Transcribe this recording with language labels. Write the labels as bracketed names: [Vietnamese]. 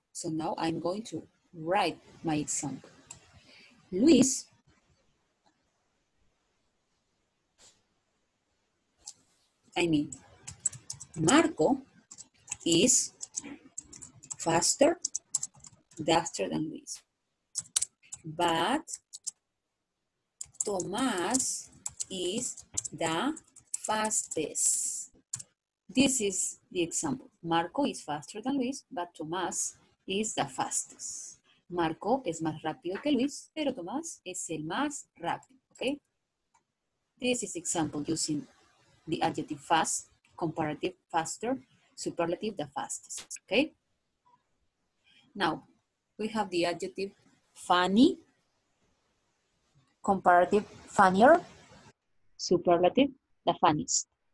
[English] So now I'm going to write my example. Luis I mean, Marco is faster than Luis. But Tomás is the fastest. This is the example. Marco is faster than Luis, but Tomás is the fastest. [Spanish] Marco es más rápido que Luis, pero Tomás es el más rápido. [English] Okay? This is example using the adjective fast, comparative faster, superlative the fastest, okay? Now, we have the adjective funny, comparative funnier, superlative the funniest.